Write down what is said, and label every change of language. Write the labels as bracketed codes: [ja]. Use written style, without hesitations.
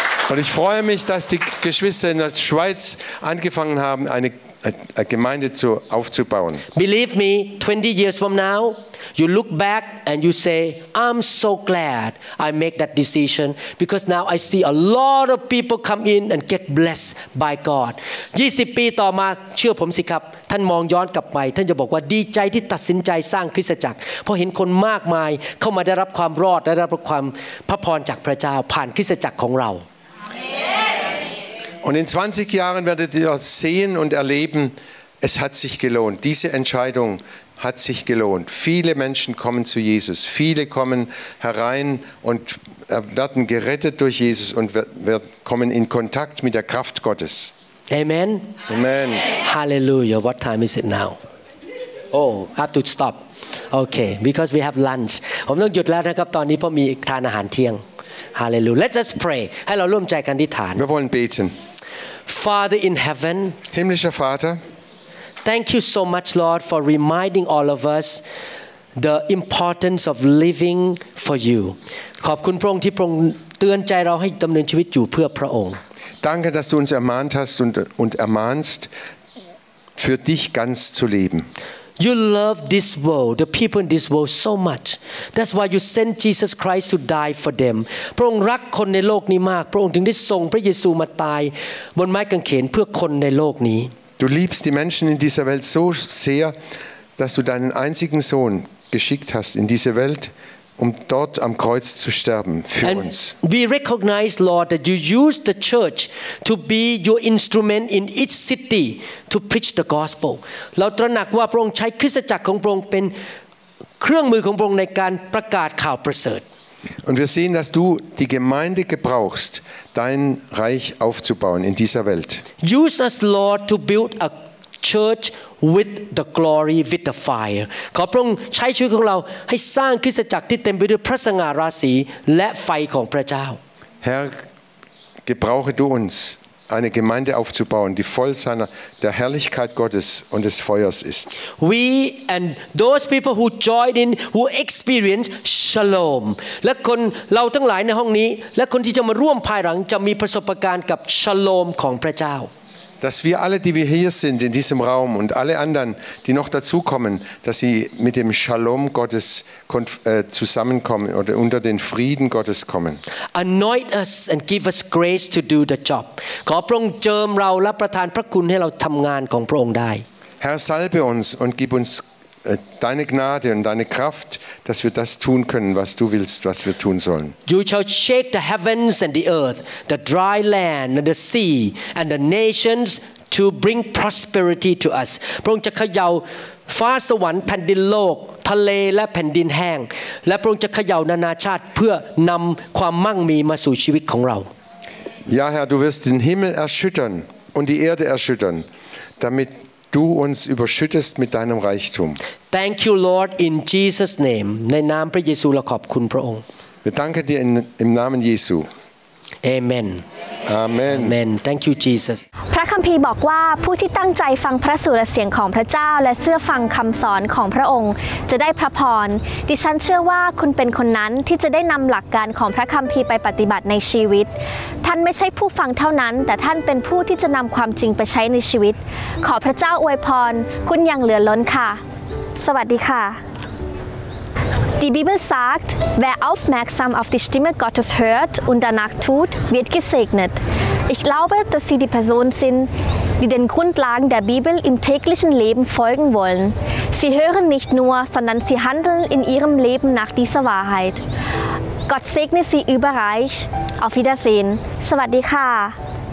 [de] Und ich freue mich, dass die Geschwister in der Schweiz angefangen haben, eine Gemeinde aufzubauen. [en] Believe me, 20 years from now, You look back and you say, I'm so glad I make that decision because now I see a lot of people come in and get blessed by God. [th] 20ปีต่อมาเชื่อผมสิครับท่านมองย้อนกลับไปท่านจะบอกว่าดีใจที่ตัดสินใจสร้างคริสตจักรเพราะเห็นคนมากมายเข้ามาได้รับความรอดได้รับความพระพรจากพระเจ้าผ่านคริสตจักรของเรา [de] Und in 20 Jahren werdet ihr sehen und erleben, es hat sich gelohnt. Diese Entscheidung hat sich gelohnt. Viele Menschen kommen zu Jesus. Viele kommen herein und werden gerettet durch Jesus und kommen in Kontakt mit der Kraft Gottes. Amen. Amen. [en] Hallelujah. What time is it now? Oh, I have to stop. Okay, because we have lunch. [th] ผมต้องหยุดแล้วนะครับตอนนี้เพราะมีทานอาหารเที่ยง Hallelujah. [en] Let's just pray. [th] ให้เราร่วมใจกันอธิษฐาน [de] Wir wollen beten. [en] Father in heaven. [de] Himmlischer Vater. [en] Thank you so much, Lord, for reminding all of us the importance of living for you. [th] ขอบคุณพระองค์ที่พระองค์เตือนใจเราให้ดำเนินชีวิตอยู่เพื่อพระองค์ [de] Danke, dass du uns ermahnt hast und ermahnst, für dich ganz zu leben. [en] You love this world, the people in this world so much. That's why you sent Jesus Christ to die for them. [th] พระองค์รักคนในโลกนี้มากพระองค์ถึงได้ส่งพระเยซูมาตายบนไม้กางเขนเพื่อคนในโลกนี้ [de] Du liebst die Menschen in dieser Welt so sehr, dass du deinen einzigen Sohn geschickt hast in diese Welt, um dort am Kreuz zu sterben für uns. [en] We recognize, Lord, that you use the church to be your instrument in each city to preach the gospel. [th] เราตระหนักว่าพระองค์ใช้คริสตจักรของพระองค์เป็นเครื่องมือของพระองค์ในการประกาศข่าวประเสริฐ [de] Und wir sehen, dass du die Gemeinde gebrauchst, dein Reich aufzubauen in dieser Welt. [en] Use us, Lord, to build a church with the glory, with the fire. [th] ขอพระองค์ใช้ชีวิตของเราให้สร้างคริสตจักรที่เต็มไปด้วยพระสง่าราศีและไฟของพระเจ้า [de] Herr, gebrauche du uns, eine Gemeinde aufzubauen, die voll der Herrlichkeit Gottes und des Feuers ist. [en] We and those people who join in, who experience shalom. [th] และคนเราทั้งหลายในห้องนี้และคนที่จะมาร่วมภายหลังจะมีประสบการณ์กับ shalom ของพระเจ้า [de] Dass wir alle, die wir hier sind in diesem Raum und alle anderen, die noch dazukommen, dass sie mit dem Shalom Gottes zusammenkommen oder unter den Frieden Gottes kommen. [en] Anoint us and give us grace to do the job. [th] ขอพระองค์เจิมเราและประทานพระคุณให้เราทำงานของพระองค์ได้ [de] Herr, salbe uns und gib uns deine Gnade und deine Kraft, dass wir das tun können, was du willst, was wir tun sollen. [en] You shall shake the heavens and the earth, the dry land and the sea and the nations to bring prosperity to us. [th] พระองค์จะเขย่าฟ้าสวรรค์แผ่นดินโลกทะเลและแผ่นดินแห้งและพระองค์จะเขย่านานาชาติเพื่อนำความมั่งมีมาสู่ชีวิตของเรา [de] Ja, Herr, du wirst den Himmel erschüttern und die Erde erschüttern, damitdu uns überschüttest mit deinem Reichtum. [en] Thank you, Lord, in Jesus' name. [th] ในนามพระเยซูเราขอบคุณพระองค์ [de] Wir danken dir im Namen Jesu. Amen. Amen. [en] Amen. Thank you, Jesus. [th] พระคัมภีร์บอกว่าผู้ที่ตั้งใจฟังพระสุรเสียงของพระเจ้าและเชื่อฟังคำสอนของพระองค์จะได้พระพรดิฉันเชื่อว่าคุณเป็นคนนั้นที่จะได้นำหลักการของพระคัมภีร์ไปปฏิบัติในชีวิตท่านไม่ใช่ผู้ฟังเท่านั้นแต่ท่านเป็นผู้ที่จะนำความจริงไปใช้ในชีวิตขอพระเจ้าอวยพรคุณอย่างเหลือล้นค่ะสวัสดีค่ะ [de] Die Bibel sagt, wer aufmerksam auf die Stimme Gottes hört und danach tut, wird gesegnet. Ich glaube, dass Sie die Person sind, die den Grundlagen der Bibel im täglichen Leben folgen wollen. Sie hören nicht nur, sondern Sie handeln in Ihrem Leben nach dieser Wahrheit. Gott segne Sie überreich. Auf Wiedersehen. [th] สวัสดีค่ะ